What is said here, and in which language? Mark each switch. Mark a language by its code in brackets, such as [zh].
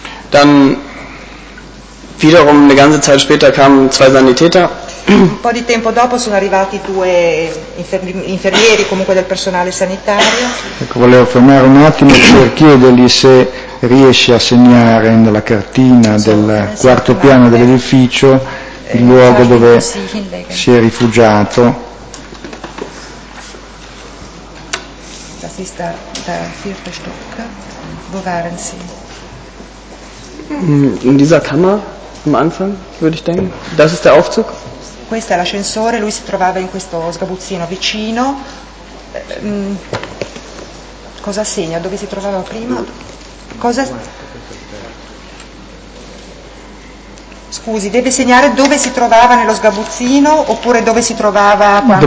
[de] Dann wiederum eine ganze Zeit später kamen zwei Sanitäter. [it] Un po' di tempo dopo sono arrivati due infermieri, comunque del personale sanitario. Ecco, volevo fermare un attimo per chiedergli se riesce a segnare nella cartina del quarto piano dell'edificio il luogo dove si è rifugiato. [de] Das ist der vierte Stock. Wo waren Sie? In dieser Kammer am Anfang, würde ich denken. Das ist der Aufzug. [it] Questo è l'ascensore, lui si trovava in questo sgabuzzino vicino. Cosa segna? Dove si trovava prima? Scusi, deve segnare dove si trovava nello sgabuzzino oppure dove si trovava quando...